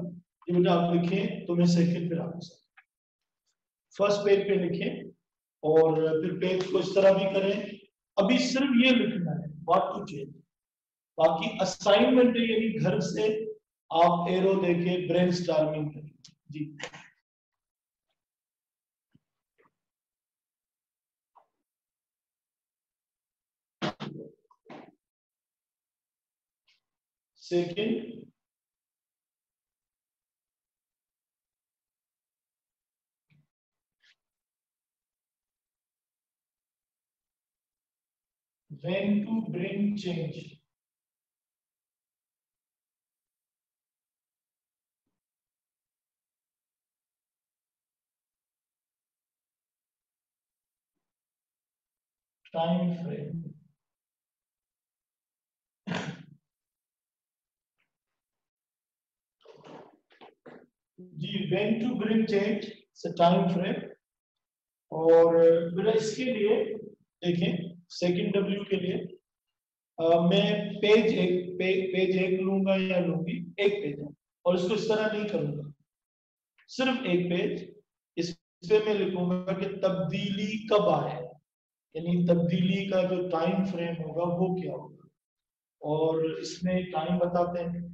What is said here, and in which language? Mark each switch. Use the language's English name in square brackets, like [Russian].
[Hindi] ये मुझे आप लिखें तो मैं सेकंड पे आ सकता, फर्स्ट पेज पे लिखें और फिर पेज को इस तरह भी करें। अभी सिर्फ ये लिखना है [English] what to change, [Hindi] बाकी असाइनमेंट यानी घर से आप एरो देके ब्रेनस्टॉर्मिंग करें। [English] जी second, when to bring change, time frame, जी when to bring change is a time frame। [Hindi] और बेटा इसके लिए देखें सेकेंड डब्ल्यू के लिए मैं पेज एक पेज एक लूंगा या लूंगी एक पेज और इसको इस तरह नहीं करूंगा सिर्फ एक पेज, इस पे मैं लिखूंगा कि तब्दीली कब आए, यानी तब्दीली का जो टाइम फ्रेम होगा वो क्या होगा और इसमें टाइम बताते हैं।